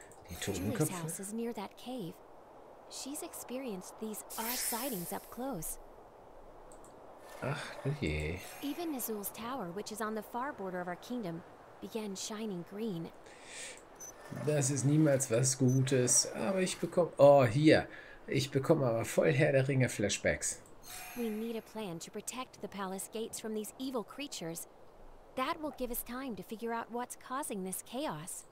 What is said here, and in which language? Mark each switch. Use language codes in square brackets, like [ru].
[de] Die Totenköpfe ist [en] near that cave. She's experienced these odd sightings up close. [de] Ach, je. [en] Even Nazul's tower, which is on the far border of our kingdom, began shining green. [de] Das ist niemals was Gutes, aber ich bekomme, oh, hier. Ich bekomme aber voll Herr der Ringe Flashbacks. [en] We need a plan to protect the palace gates from these evil creatures. That will give us time to figure out what's causing this chaos.